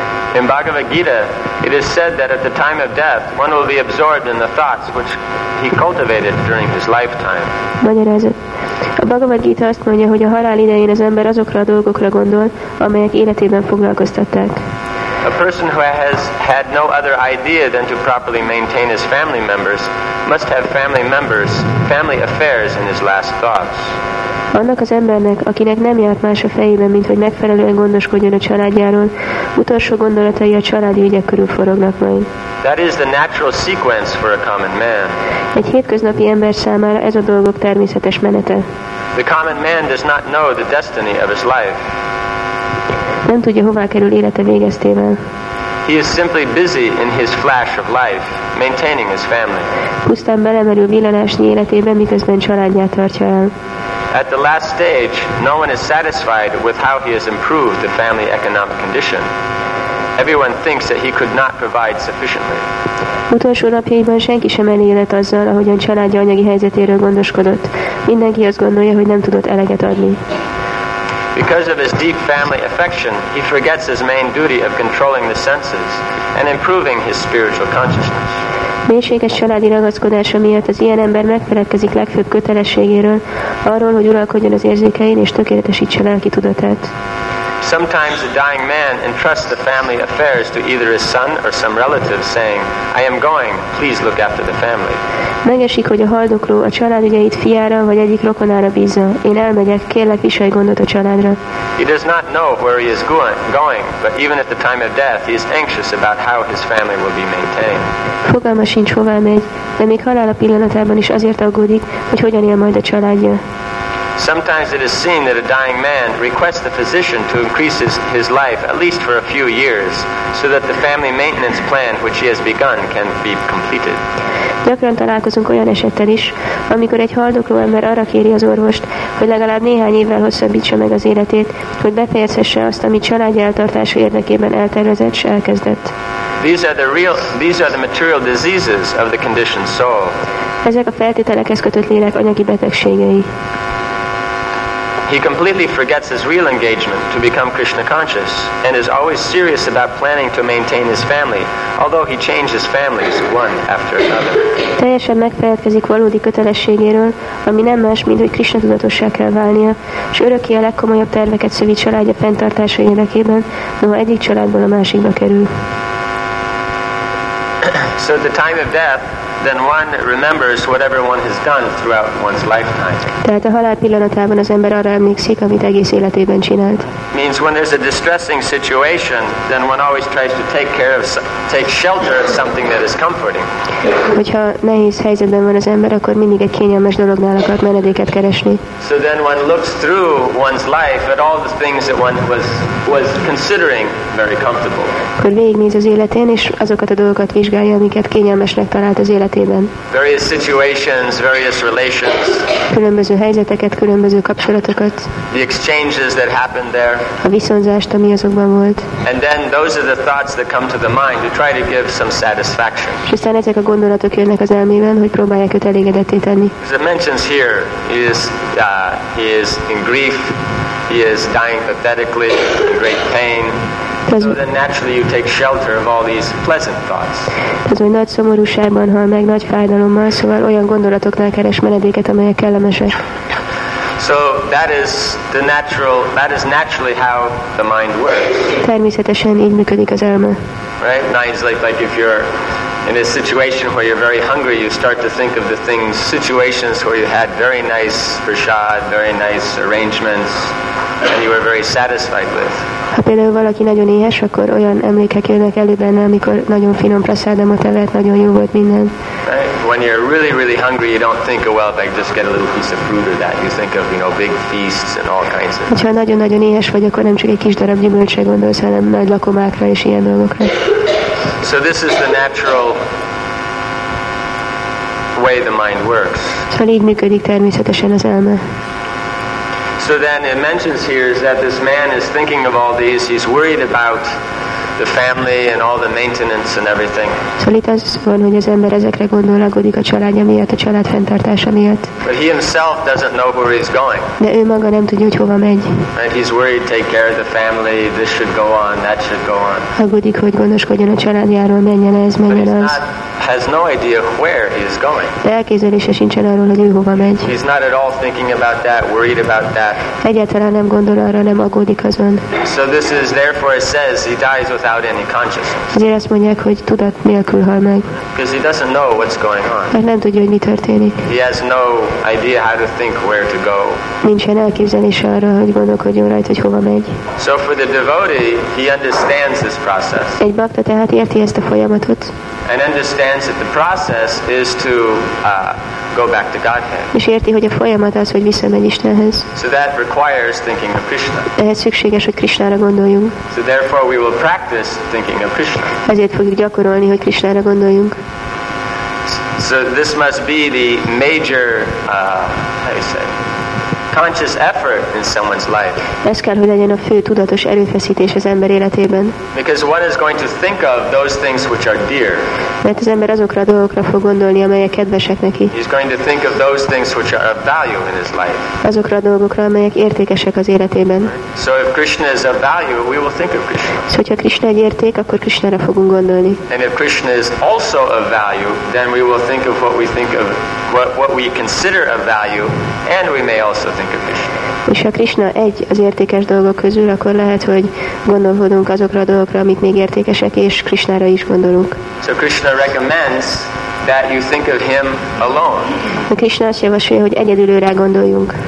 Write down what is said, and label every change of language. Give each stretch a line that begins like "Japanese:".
English: In Bhagavad Gita, it is said that at the time of death, one will be absorbed in the thoughts which he cultivated during his lifetime.
Hungarian: Magyarázat. A Bhagavad Gita azt mondja, hogy a halál idején az ember azokra a dolgokra gondol, amelyek életében foglalkoztatták.
English: A person who has had no other idea than to properly maintain his family members must have family members, family affairs in his last thoughts.
Hungarian: Annak az embernek, akinek nem járt más a fejében, mint hogy megfelelően gondoskodjon a családjáról, utolsó gondolatai a családi ügyek körül forognak majd.
English: That is the natural sequence for a common man.
Hungarian: Egy hétköznapi ember számára ez a dolgok természetes menete.
English: The common man does not know the destiny of his life.
Hungarian: Nem tudja, hová kerül élete végeztével.
English: He is simply busy in his flash of life, maintaining his family.
Hungarian: Pusztán belemerül villanásnyi életében, miközben családját tartja el.
English: At the last stage, no one is satisfied with how he has improved the family economic condition. Everyone thinks that he could not provide sufficiently.
Hungarian: Utolsó napjaiban senki sem elégedett azzal, ahogyan családja anyagi helyzetéről gondoskodott. Mindenki azt gondolja, hogy nem tudott eleget adni.
English: Because of his deep family affection, he forgets his main duty of controlling the senses and improving his spiritual consciousness.
Hungarian: Mélységes családi ragaszkodása miatt az ilyen ember megfeledkezik legfőbb kötelességéről, arról, hogy uralkodjon az érzékein és tökéletesítse lelki tudatát.
English: Sometimes a dying man entrusts the family affairs to either his son or some relative, saying, "I am going. Please look after the family."
Hungarian: Megesik, hogy a haldokló a család ügyeit fiára vagy egyik rokonára bízza. Én elmegyek, kérlek, viselj gondot a családra.
English: He does not know where he is going, but even at the time of death, he is anxious about how his family will be maintained.
Hungarian: Fogalma sincs, hová megy, de még halála pillanatában is azért aggódik, hogy hogyan él majd a családja.
English: Sometimes it is seen that a dying man requests the physician to increase his life at least for a few years so that the family maintenance plan which he has begun can be completed.
Hungarian: Gyakran találkozunk olyan esettel is, amikor egy haldokló ember arra kéri az orvost, hogy legalább néhány évvel hosszabbítsa meg az életét, hogy befejezhesse azt, amit családja eltartása érdekében eltervezett és elkezdett.
English: These are the material diseases of the conditioned soul.
Hungarian: Ezek a feltételekhez kötött lélek anyagi betegségei.
English: He completely forgets his real engagement to become Krishna conscious and is always serious about planning to maintain his family, although he changes families one after another.
Hungarian: Teljesen megfeledkezik valódi kötelességéről, ami nem más, mint hogy Krishna tudatossá kell válnia, és örökké a legkomolyabb terveket szövi családja fenntartása érdekében, noha egyik családból a másikba kerül.
English: So at the time of death, then one remembers whatever one has done throughout one's lifetime.
Hungarian: Tehát a halál pillanatában az ember arra emlékszik, amit egész életében csinált.
English: Means when there's a distressing situation, then one always tries to take shelter of something that is comforting.
Hungarian: Hogyha nehéz helyzetben van az ember, akkor mindig egy kényelmes dolognál akar menedéket keresni.
English: So then one looks through one's life at all the things that one was considering very comfortable.
Hungarian: Akkor végignéz az életén, és azokat a dolgokat vizsgálja, amiket kényelmesnek talált az életében.
English: Various situations, various relations.
Hungarian: Különböző helyzeteket, különböző kapcsolatokat.
English: The exchanges that happened there.
Hungarian: A viszonzást, ami azokban volt.
English: And then those are the thoughts that come to the mind to try to give some satisfaction.
Hungarian: És aztán ezek a gondolatok jönnek az elmében, hogy próbálják őt elégedetté tenni.
English: As it mentions here, he is in grief, he is dying pathetically, in great pain. So then naturally you take shelter of all these pleasant thoughts.
Hungarian: Ez olyan nagy szomorúságban hal meg, nagy fájdalommal, szóval olyan gondolatoknál keres menedéket, amelyek kellemesek.
English: So that is naturally how the mind works.
Hungarian: Természetesen így működik az elme.
English: Right? Now it's like if you're in a situation where you're very hungry, you start to think of the things, situations where you had very nice prashad, very nice arrangements, and you were very satisfied with.
Hungarian: Ha például valaki nagyon éhes, akkor olyan emlékek jönnek elő benne, amikor nagyon finom prasádamot evett, nagyon jó volt minden.
English: Right. When you're really, really hungry, you don't think of, well, if I just get a little piece of fruit or that. You think of, you know, big feasts and all kinds of things.
Hungarian: Ha nagyon-nagyon éhes vagy, akkor nem csak egy kis darab gyümölcsre gondolsz, hanem nagy lakomákra és ilyen dolgokra.
English: So this is the natural way the mind works.
Hungarian: Szóval így működik természetesen az elme.
English: So then it mentions here is that this man is thinking of all these, he's worried about the family and all the maintenance and everything.
Hungarian: Szóval itt az van, hogy az ember ezekre gondol, aggódik a családja miatt, a család fenntartása miatt.
English: But he himself doesn't know where he's going.
Hungarian: De ő maga nem tudja, hogy hova megy.
English: And he's worried, take care of the family, this should go on, that should go on.
Hungarian: Aggódik, hogy gondoskodjon a családjáról, menjen ez, menjen az.
English: Has no idea where he is going.
Hungarian: De elképzelése sincsen arról, hogy ő hova megy.
English: He's not at all thinking about that, worried about that.
Hungarian: Egyáltalán nem gondol arra, nem aggódik azon.
English: So this is, therefore it says, he dies without any consciousness.
Hungarian: Ezért azt mondják, hogy tudat nélkül hal meg.
English: Because he doesn't know what's going on.
Hungarian: Mert nem tudja, hogy mi történik.
English: He has no idea how to think where to go.
Hungarian: Nincsen elképzelése arra, hogy gondolkodjon rajta, hogy hova megy.
English: So for the devotee, he understands this process.
Hungarian: Egy bhakta tehát érti ezt a folyamatot.
English: And understands that the process is to go back to Godhead.
Hungarian: És érti, hogy a folyamat az, hogy visszamegy Istenhez.
English: So that requires thinking of Krishna.
Hungarian: Ehhez szükséges, hogy Krishnára gondoljunk.
English: So therefore we will practice thinking of Krishna.
Hungarian: Ezért fogjuk gyakorolni, hogy Krishnára gondoljunk.
English: So this must be the major, how you say, conscious effort in someone's life.
Hungarian: Ez kell, hogy legyen a fő tudatos erőfeszítés az ember életében.
English: Because one is going to think of those things which are dear.
Hungarian: Mert az ember azokra a dolgokra fog gondolni, amelyek kedvesek neki.
English: He's going to think of those things which are of value in his life.
Hungarian: Azokra a dolgokra, amelyek értékesek az életében.
English: So if Krishna is of value, we will think of Krishna.
Hungarian: Szóval, ha Krishna egy érték, akkor Krishnára fogunk gondolni.
English: And if Krishna is also of value, then we will think of what we think of, what we consider of value, and we may also
Hungarian: És ha Krishna egy az értékes dolgok közül, akkor lehet, hogy gondolkodunk azokra a dolgokra, amik még értékesek, és Krishnára is gondolunk.
English: So Krishna recommends that you think of him alone.
Hungarian: A Krishna azt javasolja, hogy egyedül őre gondoljunk.